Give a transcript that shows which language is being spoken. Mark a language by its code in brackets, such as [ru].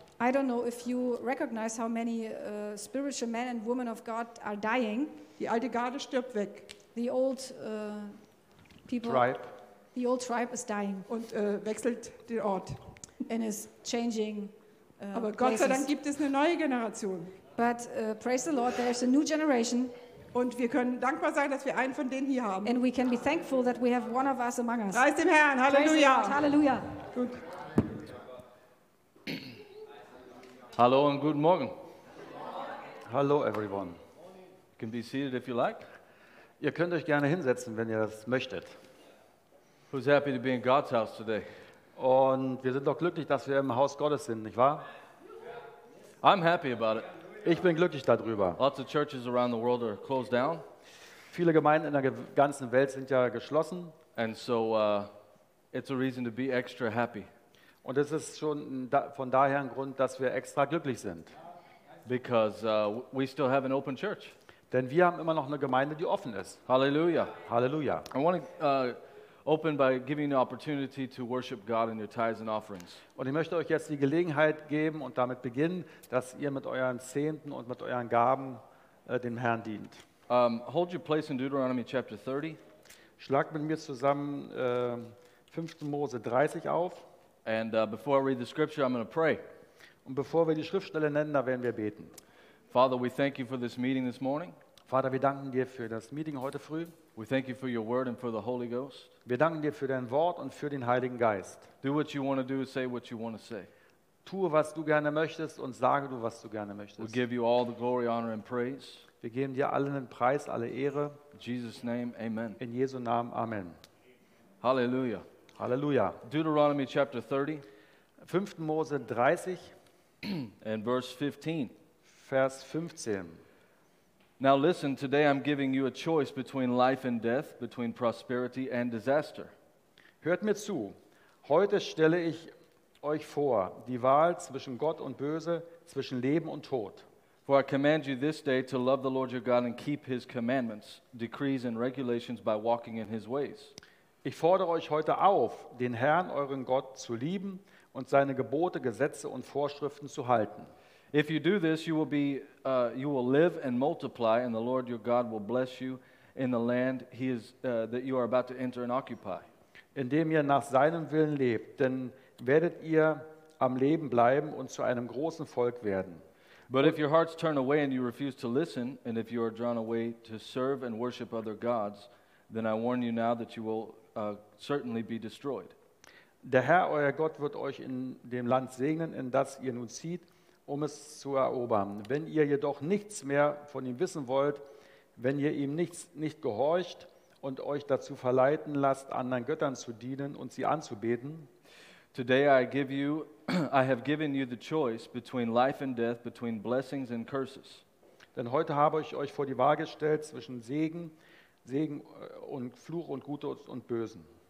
[en] I don't know if you recognize how many spiritual men and women of God are dying. [de] Die alte Garde stirbt weg. [en] The old people. Tribe. The old tribe is dying. [de] Und wechselt den Ort. [en] And is changing. [de] Aber Gott sei Dank gibt es eine neue Generation. [en] But praise the Lord, there is a new generation. [de] Und wir können dankbar sein, dass wir einen von denen hier haben. [en] And we can be thankful that we have one of us among us. [de] Preist dem Herrn, Halleluja. [en] Praise the Lord, Halleluja. Gut. [de] Hallo und guten Morgen. Hallo, everyone. [en] You can be seated if you like. [de] Ihr könnt euch gerne hinsetzen, wenn ihr das möchtet. [en] Who's happy to be in God's house today? [de] Und wir sind doch glücklich, dass wir im Haus Gottes sind, nicht wahr? [en] I'm happy about it. [de] Ich bin glücklich darüber. [en] Lots of churches around the world are closed down. [de] Viele Gemeinden in der ganzen Welt sind ja geschlossen. [en] And so it's a reason to be extra happy. [de] Und es ist schon von daher ein Grund, dass wir extra glücklich sind. [en] Because we still have an open church. [de] Denn wir haben immer noch eine Gemeinde, die offen ist. Halleluja. Halleluja. [en] I want to open by giving the opportunity to worship God in your tithes and offerings. [de] Und ich möchte euch jetzt die Gelegenheit geben und damit beginnen, dass ihr mit euren Zehnten und mit euren Gaben dem Herrn dient. [en] Hold your place in Deuteronomy chapter 30. [de] Schlag mit mir zusammen 5. Mose 30 auf. [en] And before I read the scripture, I'm going to pray. [de] Und bevor wir die Schriftstelle nennen, da werden wir beten. [en] Father, we thank you for this meeting this morning. [de] Vater, wir danken dir für das Meeting heute früh. [en] We thank you for your word and for the Holy Ghost. [de] Wir danken dir für dein Wort und für den Heiligen Geist. [en] Do what you want to do, say what you want to say. [de] Tue, was du gerne möchtest und sage du, was du gerne möchtest. [en] We give you all the glory, honor and praise. [de] Wir geben dir allen den Preis, alle Ehre. [en] In Jesus' name, amen. [de] In Jesu Namen, amen. [en] Hallelujah. Hallelujah. Deuteronomy chapter 30. 5. Mose 30. And verse 15. Vers 15. Now listen, today I'm giving you a choice between life and death, between prosperity and disaster. [de] Hört mir zu. Heute stelle ich euch vor, die Wahl zwischen Gott und Böse, zwischen Leben und Tod. [en] For I command you this day to love the Lord your God and keep his commandments, decrees and regulations by walking in his ways. [de] Ich fordere euch heute auf, den Herrn, euren Gott, zu lieben und seine Gebote, Gesetze und Vorschriften zu halten. [en] If you do this, you will live and multiply, and the Lord your God will bless you in the land that you are about to enter and occupy. [de] Indem ihr nach seinem Willen lebt, denn werdet ihr am Leben bleiben und zu einem großen Volk werden. [en] But if your hearts turn away and you refuse to listen, and if you are drawn away to serve and worship other gods, then I warn you now that you will certainly be destroyed. [de] Der Herr, euer Gott, wird euch in dem Land segnen, in das ihr nun zieht, um es zu erobern. Wenn ihr jedoch nichts mehr von ihm wissen wollt, wenn ihr ihm nicht gehorcht und euch dazu verleiten lasst, anderen Göttern zu dienen und sie anzubeten. [en] Today I have given you the choice between life and death, between blessings and curses. [de] Denn heute habe ich euch vor die Wahl gestellt zwischen Segen und Fluch und Gute und Bösen.